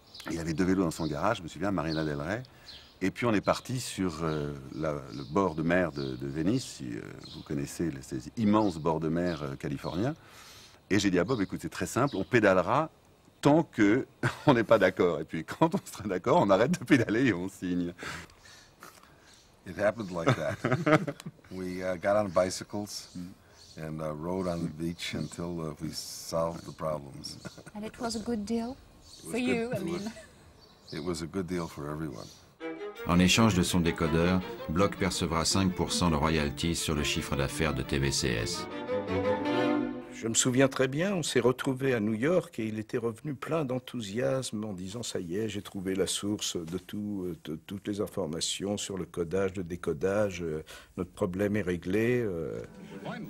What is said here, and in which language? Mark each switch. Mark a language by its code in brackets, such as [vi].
[fr] Il avait deux vélos dans son garage, je me souviens, Marina Del Rey. Et puis on est parti sur le bord de mer de Venise, si vous connaissez ces immenses bords de mer californiens. Et j'ai dit à Bob, écoute, c'est très simple, on pédalera tant qu'on n'est pas d'accord. Et puis quand on sera d'accord, on arrête de pédaler et on signe. [en] It happened like that. We got on bicycles and rode on the beach until we solved the problems. And it was a good deal for you, I mean. It was a good deal for everyone. [fr] En échange de son décodeur, Bloch percevra 5% de royalties sur le chiffre d'affaires de TVCS. Je me souviens très bien, on s'est retrouvé à New York et il était revenu plein d'enthousiasme en disant « ça y est, j'ai trouvé la source de, toutes les informations sur le codage, le décodage, notre problème est réglé. »